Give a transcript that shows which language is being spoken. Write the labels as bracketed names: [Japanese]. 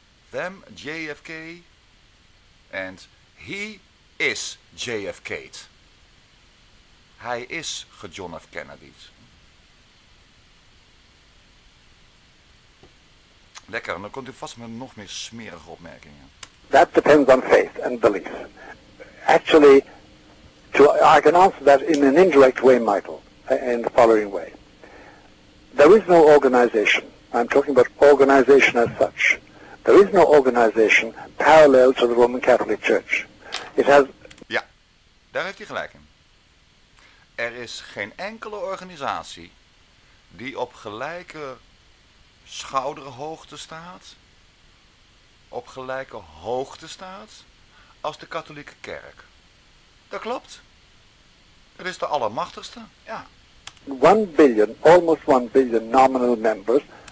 [English] Them JFK. And he is JFK. [Dutch] Hij is John F. Kennedy. Lekker, dan komt u vast met nog meer smerige opmerkingen. [English] That depends on faith and belief. Actually, I can answer that in an indirect way, Michael, in the following way. There is no organization. I'm talking about organization as such. There is no organization parallel to the Roman Catholic Church. It has... [Dutch] Ja, daar heeft hij gelijk in. Er is geen enkele organisatie die op gelijke schouderhoogte staat, op gelijke hoogte staat, als de katholieke kerk. Dat klopt. Het is de allermachtigste, ja. [English] 1 billion, almost 1 billion nominal members.